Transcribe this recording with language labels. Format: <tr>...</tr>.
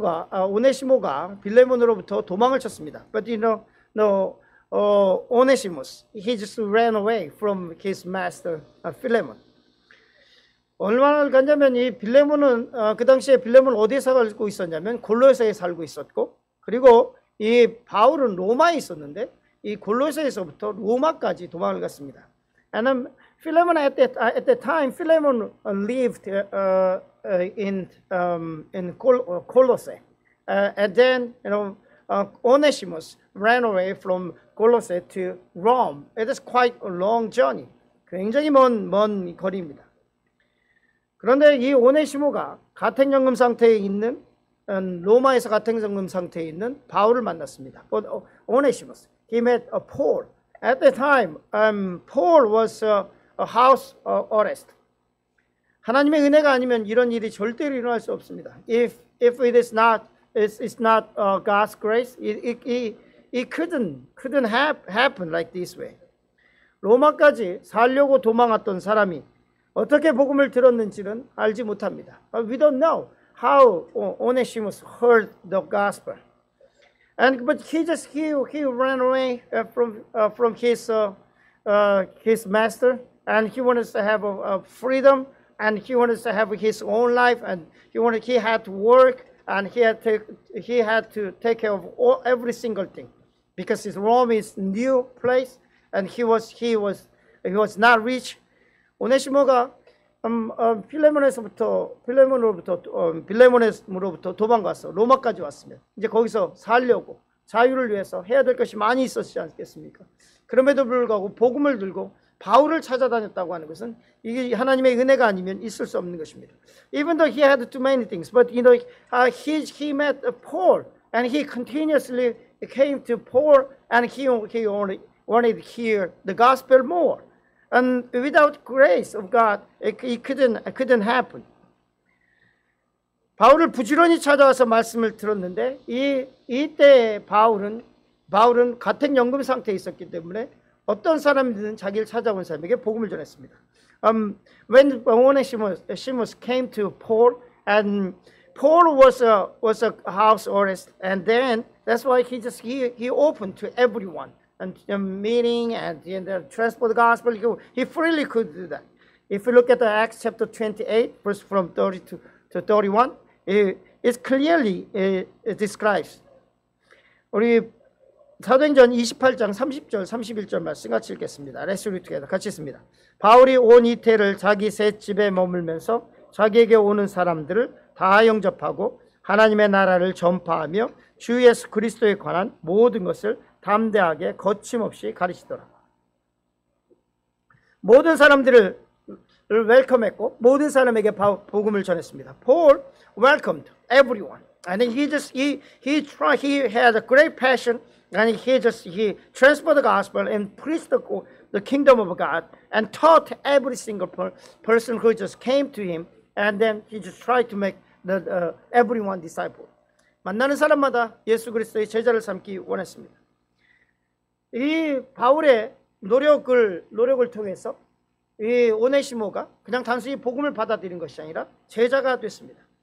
<ko>오네시모가 빌레몬으로부터 도망을 쳤습니다.</ko> <en>But Onesimus, he just ran away from his master Philemon.</en> <ko>얼마나 갔냐면 이 빌레몬은 그 당시에 빌레몬 어디에 살고 있었냐면 골로새에 살고 있었고 그리고 이 바울은 로마에 있었는데 이 골로새에서부터 로마까지 도망을 갔습니다.</ko> <en>And Philemon at that time Philemon lived in Colosse. And then Onesimus ran away from Colosse to Rome. It is quite a long journey.</en> <ko>굉장히 먼 거리입니다. 그런데 이 오네시모가 가택연금 상태에 있는 로마에서 가택연금 상태에 있는 바울을 만났습니다.</ko> <en>But Onesimus, he met Paul. At the time, Paul was a house arrest.</en> <ko>하나님의 은혜가 아니면 이런 일이 절대로 일어날 수 없습니다.</ko> <en>If it is not God's grace, it couldn't happen like this way.</en> <ko>로마까지 살려고 도망갔던 사람이 어떻게 복음을 들었는지는 알지 못합니다.</ko> <en>We don't know how Onesimus heard the gospel. But he ran away from his master and he wanted to have a freedom and he wanted to have his own life, and he wanted, he had to work, and he had to take care of all, every single thing, because his Rome is new place, and he was not rich.</en> <ko>오네시모가 필레몬에서부터 필레몬으로부터 빌레몬에서부터 도망가서 로마까지 왔습니다. 이제 거기서 살려고 자유를 위해서 해야 될 것이 많이 있었지 않겠습니까? 그럼에도 불구하고 복음을 들고 바울을 찾아다녔다고 하는 것은 이게 하나님의 은혜가 아니면 있을 수 없는 것입니다.</ko> <en>Even though he had too many things, but you know, he met Paul and he continuously came to Paul and he only wanted to hear the gospel more. And without grace of God, it couldn't happen.</en> <ko>바울을 부지런히 찾아와서 말씀을 들었는데 이때 바울은 같은 연금 상태에 있었기 때문에 어떤 사람이든 자기를 찾아온 사람에게 복음을 전했습니다.</ko> <en>When Onesimus came to Paul, and Paul was a house arrest, and then that's why he opened to everyone. And the meeting and the transport gospel, he freely could do that. If you look at the Acts chapter 28, verse from 30 to 31, it clearly describes.</en> <ko>우리 사도행전 28장 30절 31절 말씀 같이 읽겠습니다.</ko> <en>Let's read together.</en> <ko>같이 읽습니다. 바울이 온 이태를 자기 새 집에 머물면서 자기에게 오는 사람들을 다 영접하고 하나님의 나라를 전파하며 주 예수 그리스도에 관한 모든 것을 담대하게 거침없이 가르치더라. 모든 사람들을 웰컴했고 모든 사람에게 복음을 전했습니다.</ko> <en>Paul welcomed everyone, and he had a great passion, and he transferred the gospel and preached the kingdom of God and taught every single person who just came to him, and then he just tried to make everyone disciple.</en> <ko>만나는 사람마다 예수 그리스도의 제자를 삼기 원했습니다. 이 바울의 노력을 통해서 이 오네시모가 그냥 단순히 복음을 받아들인 것이 아니라 제자가 됐습니다.</ko>